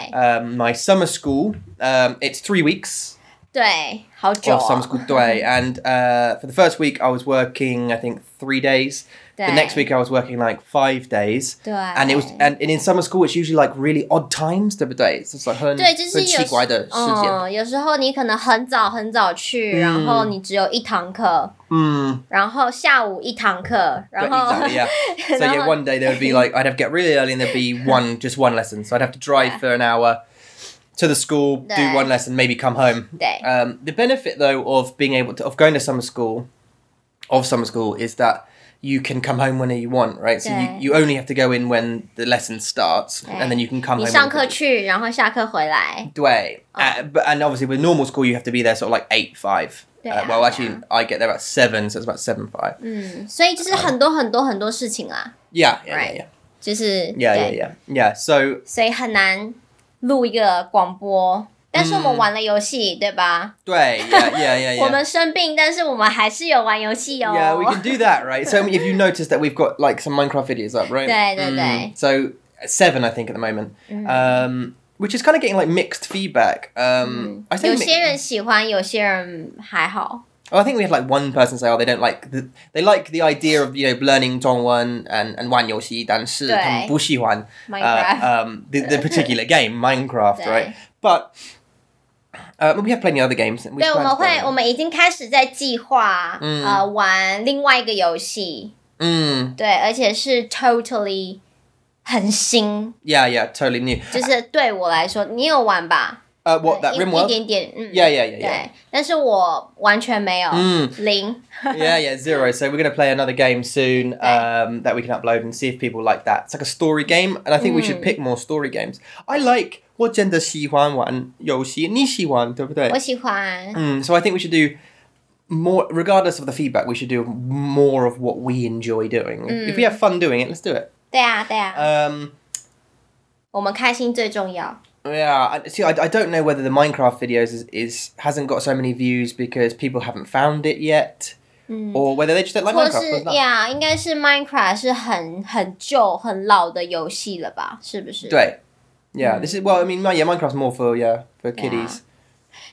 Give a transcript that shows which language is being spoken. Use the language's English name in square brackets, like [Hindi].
[English] My summer school it's 3 weeks [Chinese] 对好久 [English] of summer school [Chinese] 对 [English] And for the first week I was working I think 3 days The next week I was working like 5 days [Chinese] 对 [English] And it was and in summer school it's usually like really odd times [Chinese] 对不对 [English] It's like [Chinese] 很奇怪的时间有时候你可能很早很早去然后你只有一堂课然后下午一堂课然后 [English] Exactly, yeah. So yeah, one day there would be like I'd have to get really early and there'd be one just one lesson So I'd have to drive for an hour to the school do one lesson maybe come home [Chinese] 对 [English] The benefit though of being able to of going to summer school of summer school is thatyou can come home whenever you want, right? So you only have to go in when the lesson starts, and then you can come home. [Chinese] 你上课去，然后下课回来。对， [English] and obviously with normal school, you have to be there sort of like 8:05. [Chinese] 对啊。 [English] Well, actually, I get there about 7, so it's about 7:05. [Chinese] 所以就是很多很多很多事情啦。 [English] Yeah. [Chinese] 就是。 [English] Yeah. So. [Chinese] 所以很难录一个广播。但是我们玩了游戏，对吧？对 [English] ，Yeah. [Chinese] 我们生病，但是我们还是有玩游戏哦。 [English] Yeah, we can do that, right? So if you notice that we've got like some Minecraft videos up, right? [Chinese] 对对对。 [English] So 7, I think, at the moment, which is kind of getting like mixed feedback. I think [Chinese] 有些人喜欢，有些人还好。 [English] Oh, I think we had like one person say, "Oh, they don't like the, they like the idea of you know learning 中文 and [Chinese] 玩游戏，但是他们不喜欢 [English] Minecraft. The particular game Minecraft, right? But we have plenty of other games. [Chinese] 对，我们会，我们已经开始在计划玩另外一个游戏。对，而且是 totally 很新。 [English] Yeah, totally new. [Chinese] 就是对我来说，你有玩吧？ [English] What that Rimworld? [Chinese] 一点点， [English] Yeah. [Chinese] 但是我完全没有零。 [English] Yeah, zero. So we're gonna play another game soon. That we can upload and see if people like that. It's like a story game, and I think we should pick more story games. I like. [Chinese] 我真的喜欢玩游戏，你喜欢对不对？我喜欢。 [English] So I think we should do more, regardless of the feedback, we should do more of what we enjoy doing. If we have fun doing it, let's do it. [Chinese] 对啊，对啊。我们开心最重要。 [English] Yeah, see, I don't know whether the Minecraft videos hasn't got so many views because people haven't found it yet, or whether they just don't like Minecraft. Yeah, [Chinese] 应该是 Minecraft 是很旧很老的游戏了吧？是不是？对 [English] ，Yeah, this is well. I mean, yeah, Minecraft's more for kiddies. Yeah.